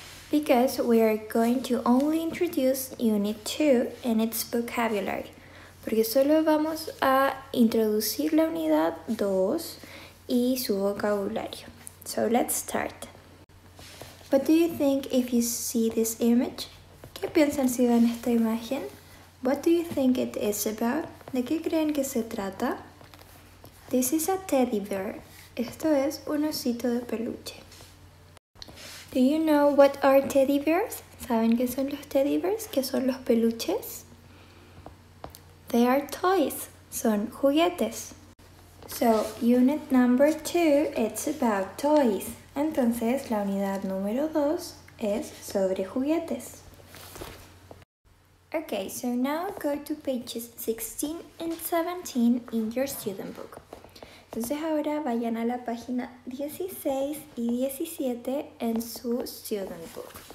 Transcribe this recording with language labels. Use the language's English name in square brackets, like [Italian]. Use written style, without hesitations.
[English] Because we are going to only introduce Unit 2 and its vocabulary. [Spanish] Porque solo vamos a introducir la unidad 2 y su vocabulario. [English] So let's start. What do you think if you see this image? [Spanish] ¿Qué piensan si ven esta imagen? [English] What do you think it is about? [Spanish] ¿De qué creen que se trata? [English] This is a teddy bear. [Spanish] Esto es un osito de peluche. [English] Do you know what are teddy bears? [Spanish] ¿Saben qué son los teddy bears? ¿Qué son los peluches? [English] They are toys. [Spanish] Son juguetes. [English] So, unit number 2, it's about toys. [Spanish] Entonces, la unidad número 2 es sobre juguetes. [English] Okay, so now go to pages 16 and 17 in your student book. [Spanish] Entonces ahora vayan a la página 16 y 17 en su student book.